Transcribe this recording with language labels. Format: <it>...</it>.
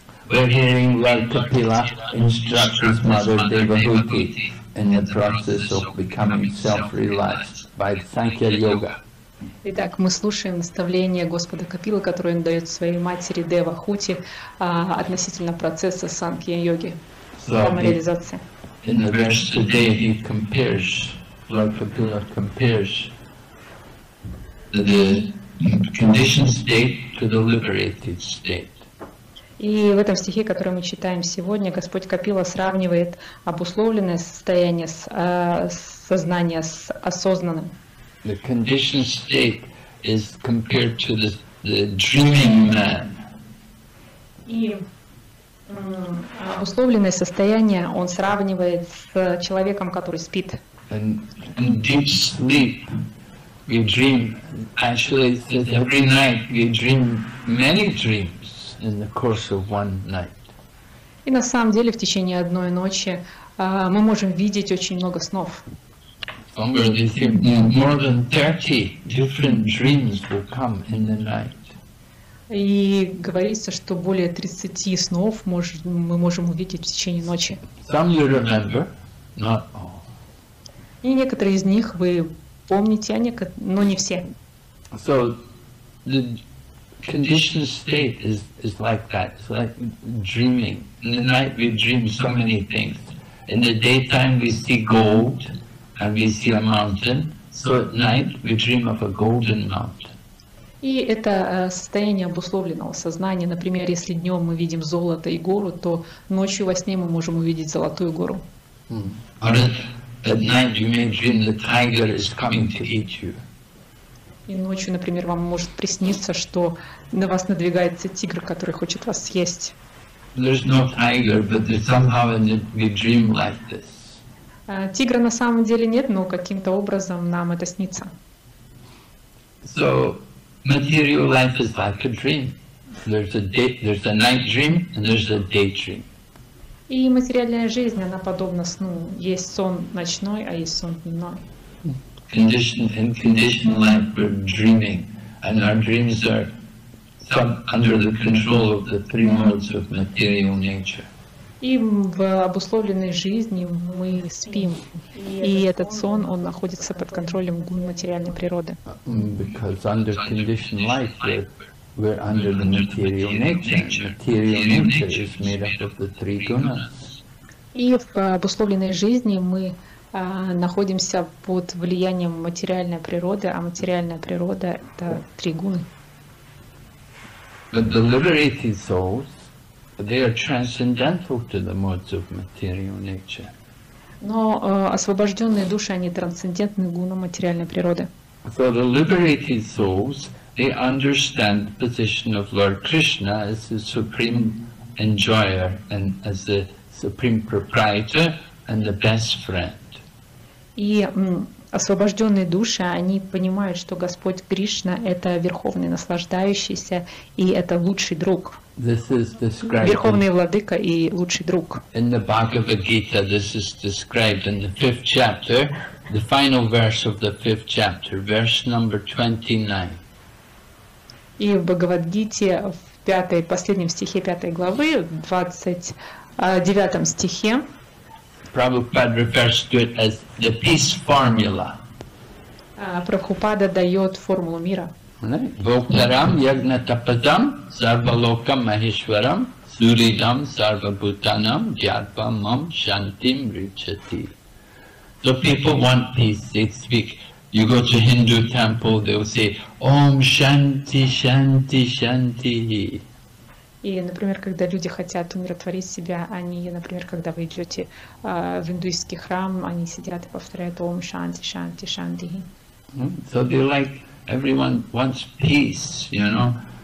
<en>We're hearing Lord Kapila instruct his mother Devahuti in the process of becoming self-realized by Sankhya Yoga.</en> <ru>Итак, мы слушаем наставление Господа Капилы, которое он дает своей матери Девахути относительно процесса Санкхья Йоги, самореализации.</ru> <en>In the verse today he compares, Lord Kapila compares the conditioned state to the liberated state.</en> <ru>И в этом стихе, который мы читаем сегодня, Господь Капила сравнивает обусловленное состояние сознания с осознанным.</ru> <en>The conditioned state is compared to the dreaming man.</en> <ru>И обусловленное состояние он сравнивает с человеком, который спит.</ru> <en>In deep sleep, we dream. Actually, it says every night we dream many dreams. In the course of one night.</en> <ru>И на самом деле в течение одной ночи мы можем видеть очень много снов.</ru> <en>More than 30 different dreams will come in the night.</en> <ru>И говорится, что более 30 снов мы можем увидеть в течение ночи.</ru> <en>Some you remember, not all.</en> <ru>И некоторые из них вы помните, но не все.</ru> <en>So the conditioned state is like that. It's like dreaming. In the night we dream so many things. In the daytime we see gold and we see a mountain. So at night we dream of a golden mountain.</en> <ru>И это состояние обусловленного сознания. Например, если днем мы видим золото и гору, то ночью во сне мы можем увидеть золотую гору.</ru> <en>Or at night you may dream the tiger is coming to eat you.</en> <ru>И ночью, например, вам может присниться, что на вас надвигается тигр, который хочет вас съесть.</ru> <en>There's no tiger, but somehow we dream like this.</en> <ru>Тигра на самом деле нет, но каким-то образом нам это снится.</ru> <en>So, material life is like a dream. There's a day, there's a night dream, and there's a day dream.</en> <ru>И материальная жизнь, она подобна сну. Есть сон ночной, а есть сон дневной.</ru> <en>In conditioned life, we're dreaming, and our dreams are some under the control of the three modes of material nature.</en> <ru>И в обусловленной жизни мы спим, и этот сон, он находится под контролем гун материальной природы.</ru> <en>Because under conditioned life, we're under the material nature. Material nature is made up of the three gunas.</en> <ru>И в обусловленной жизни мы находимся под влиянием материальной природы, а материальная природа — это три гуны.</ru> <en>But the liberated souls, they are transcendental to the modes of material nature.</en> <ru>Но освобожденные души, они трансцендентны гунам материальной природы.</ru> <en>So the liberated souls, they understand the position of Lord Krishna as the supreme enjoyer and as the supreme proprietor and the best friend.</en> <ru>И освобожденные души, они понимают, что Господь Кришна — это верховный наслаждающийся и это лучший друг.</ru> <en>This is described</en> <ru>верховный владыка и лучший друг.</ru> <en>In the Bhagavad Gita, this is described in the fifth chapter, the final verse of the fifth chapter, verse number 29.</en> <ru>И в Бхагавад-гите, в пятой, последнем стихе пятой главы, в 29 стихе,</ru> <en>Prabhupada refers to it as the peace formula.</en> <ru>Прабхупада дает формулу мира.</ru> <sa>Воктарам ягна тапатам сарвалока махишварам суридам сарвабутанам дьярпам мам шантим ричати.</sa> <en>So people want peace, they speak. You go to Hindu temple, they'll say,</en> <sa>Om Shanti Shanti Shanti.</sa> <ru>И, например, когда люди хотят умиротворить себя, они, например, когда вы идете в индуистский храм, они сидят и повторяют</ru> <sa>Ом Шанти Шанти Шанти.</sa> <en>So they like everyone wants peace, you know.</en>